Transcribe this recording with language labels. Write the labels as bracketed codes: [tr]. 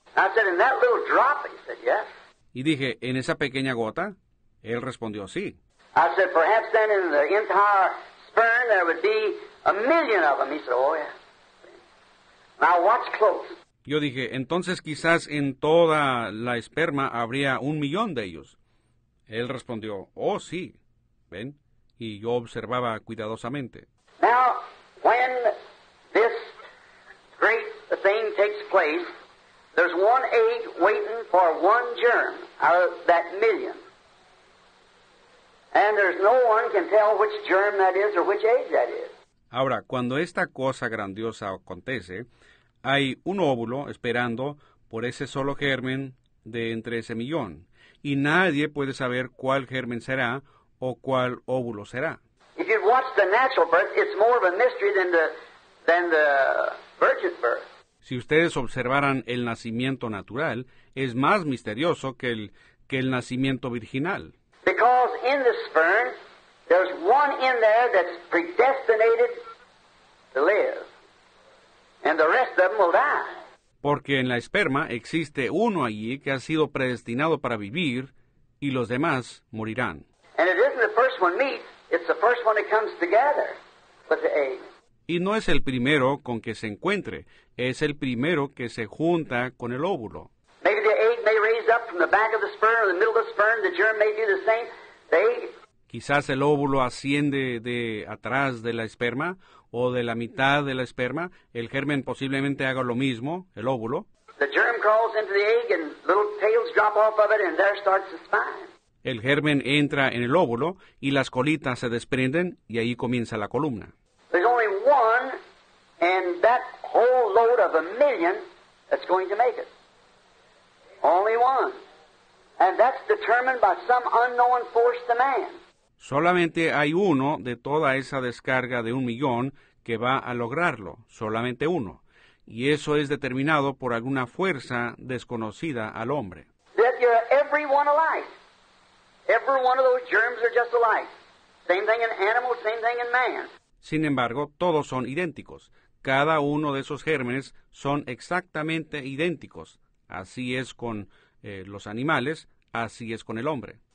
[en] I said, in that little drop, he said, yes. [es] Y dije, ¿en esa pequeña gota? Él respondió, sí. [en] I said, perhaps then in the entire sperm there would be a million of them. He said, oh, yeah. Now watch close. [es] Yo dije, entonces quizás en toda la esperma habría 1,000,000 de ellos. Él respondió, oh, sí. ¿Ven? Y yo observaba cuidadosamente. [en] Now, when this great thing takes place, there's one egg waiting for one germ out of that million. And there's no one can tell which germ that is or which egg that is. [es] Ahora, cuando esta cosa grandiosa acontece, hay un óvulo esperando por ese solo germen de entre ese millón, y nadie puede saber cuál germen será o cuál óvulo será. [en] If you watch the natural birth, it's more of a mystery than the virgin birth. [es] Si ustedes observaran el nacimiento natural, es más misterioso que el nacimiento virginal. [en] Because in the sperm, there's one in there that's predestinated to live, and the rest of them will die. [es] Porque en la esperma existe uno allí que ha sido predestinado para vivir, y los demás morirán. [en] And it isn't the first one meets, it's the first one that comes together with the egg. [es] Y no es el primero con que se encuentre, es el primero que se junta con el óvulo. [en] Maybe the egg may raise up from the back of the sperm or the middle of the sperm, the germ may do the same. The egg. [es] Quizás el óvulo asciende de atrás de la esperma o de la mitad de la esperma, el germen posiblemente haga lo mismo, el óvulo. [en] The germ crawls into the egg and little tails drop off of it and there starts the spine. [es] El germen entra en el óvulo y las colitas se desprenden y ahí comienza la columna. [en] There's only one and that whole load of a million that's going to make it. Only one. And that's determined by some unknown force to man. [es] Solamente hay uno de toda esa descarga de 1,000,000 que va a lograrlo, solamente uno. Y eso es determinado por alguna fuerza desconocida al hombre. [en] That you're every one alike. Every one of those germs are just alike. Same thing in animals, same thing in man. [es] Sin embargo, todos son idénticos. Cada uno de esos gérmenes son exactamente idénticos. Así es con los animales, así es con el hombre.